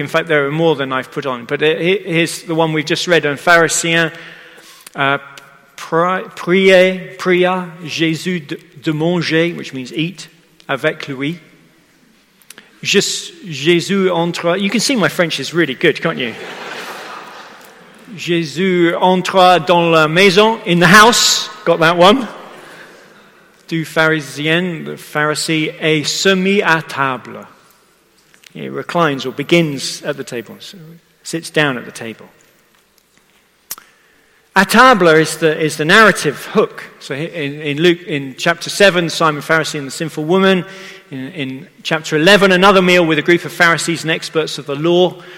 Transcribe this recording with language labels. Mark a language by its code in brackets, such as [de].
[en] In fact, there are more than I've put on. But here's the one we've just read. [fr] And Pharisee, pria Jésus de manger, [en] which means eat, [fr] avec lui. [en] Just [fr] Jésus entra. [en] You can see my French is really good, can't you? [fr] Jésus entra dans la maison, [en] in the house. Got that one. [fr] Du pharisien, [en] the Pharisee, [fr] et se mit à table. [en] He reclines or begins at the table, sits down at the table. A table is the narrative hook. So in Luke, in chapter 7, Simon Pharisee and the sinful woman. In chapter 11, another meal with a group of Pharisees and experts of the law.